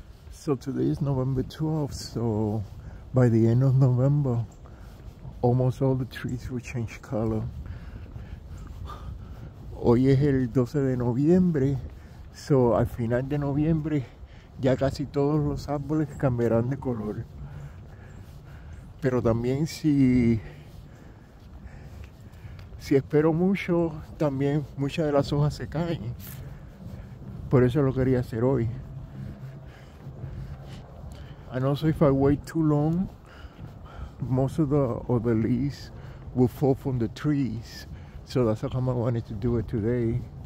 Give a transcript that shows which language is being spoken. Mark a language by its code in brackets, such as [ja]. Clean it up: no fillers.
[en] So today is November 12th, so by the end of November, almost all the trees will change color. [es] Hoy es el 12 de noviembre, so al final de noviembre, ya casi todos los árboles cambiarán de color. Pero también si espero mucho, también muchas de las hojas se caen. Por eso lo quería hacer hoy. [en] And also if I wait too long, most of the leaves will fall from the trees. So that's how come I wanted to do it today.